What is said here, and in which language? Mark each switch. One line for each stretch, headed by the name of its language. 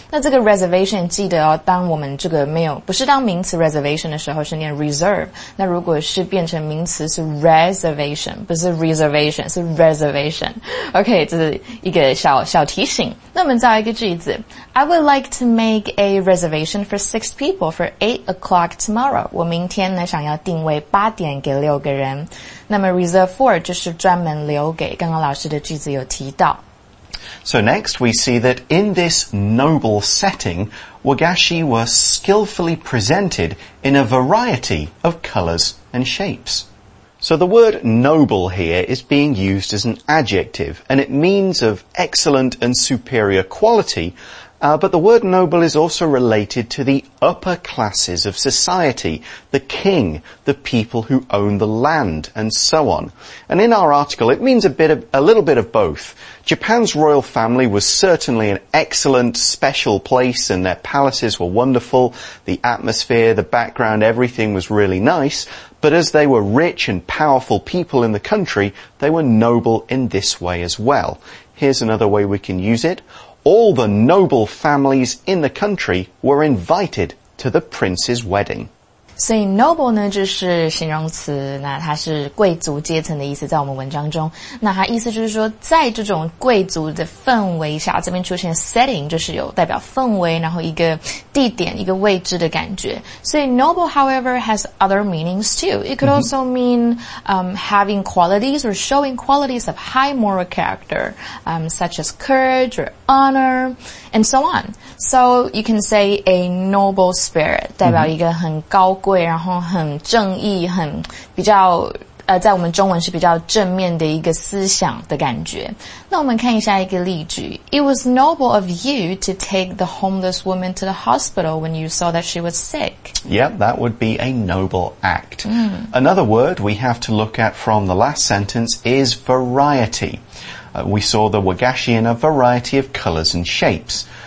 Chinese: 那这个 reservation 记得哦，当我们这个没有不是当名词 reservation 的时候是念 reserve， 那如果是变成名词是 reservation， 不是 reservation， 是 reservation。 OK， 这是一个小提醒。那我们造一个句子
English: ：I would like to make a reservation for 6 people for 8 o'clock tomorrow。
Chinese: 我明天呢想要定位八点给六个人。那么 reserve for 就是专门留给。刚刚老师的句子有提到。
English: So next, we see that in this noble setting, wagashi were skillfully presented in a variety of colors and shapes. So the word noble here is being used as an adjective, and it means of excellent and superior quality, but the word noble is also related to the upper classes of society, the king, the people who own the land, and so on. And in our article, it means a little bit of both. Japan's royal family was certainly an excellent, special place, and their palaces were wonderful. The atmosphere, the background, everything was really nice. But as they were rich and powerful people in the country, they were noble in this way as well. Here's another way we can use it. All the noble families in the country were invited to the prince's wedding.
Chinese: 所以 noble 呢就是形容词，那它是贵族阶层的意思，在我们文章中，那它意思就是说，在这种贵族的氛围下，这边出现 setting 就是有代表氛围，然后一个地点，一个位置的感觉。所以
English: noble, however, has other meanings too. It could also mean having qualities or showing qualities of high moral character, such as courage or honor, and so on. So you can say a noble spirit
Chinese: 代表一个很高贵，然后很正义，很比较在我们中文是比较正面的一个思想的感觉。那我们看一下一个例句。
English: It was noble of you to take the homeless woman to the hospital when you saw that she was sick. Yep, that would be a noble act. Another word we have to look at from the last sentence is variety. We saw the wagashi in a variety of colors and shapes.